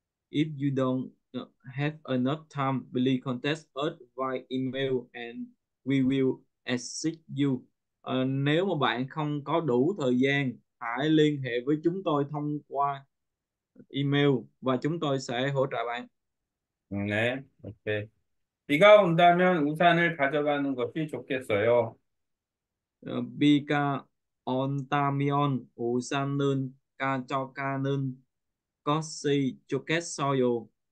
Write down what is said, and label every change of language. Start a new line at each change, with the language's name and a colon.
English: If you don't have enough time, please contact us via email and we will assist you.
Vietnamese: Nếu mà bạn không có đủ thời gian, hãy liên hệ với chúng tôi thông qua email và chúng tôi sẽ hỗ trợ bạn.
Korean: 네, 오케이. 비가 온다면 우산을 가져가는 것이 좋겠어요. 비가 온다면 우산은 가져가는 것이 좋겠어요.